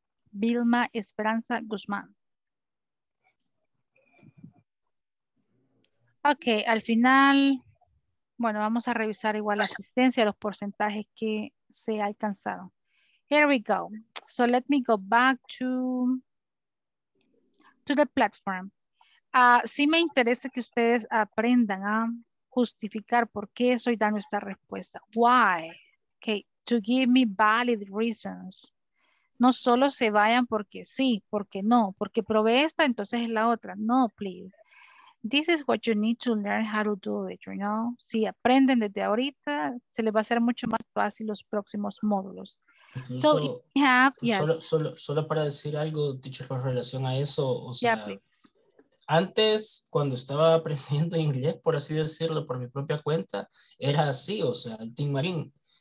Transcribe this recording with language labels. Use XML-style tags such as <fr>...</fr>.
<es>Vilma Esperanza Guzmán. Okay, al final, bueno, vamos a revisar igual la asistencia, los porcentajes que se ha alcanzado.</es> <en>Here we go. So let me go back to the platform.</en> <es>Sí me interesa que ustedes aprendan a justificar por qué estoy dando esta respuesta.</es> <en>Why? Okay, to give me valid reasons.</en> <es>No solo se vayan porque sí, porque no, porque probé esta, entonces es la otra.</es> <en>No, please. This is what you need to learn how to do it, you know?</en> <es>Si aprenden desde ahorita, se les va a hacer mucho más fácil los próximos módulos.</es> <en>So,</en> <es>solo para decir algo, teacher, con relación a eso, o sea, antes, cuando estaba aprendiendo inglés, por así decirlo, por mi propia cuenta, era así, o sea, el Team Marine.</es>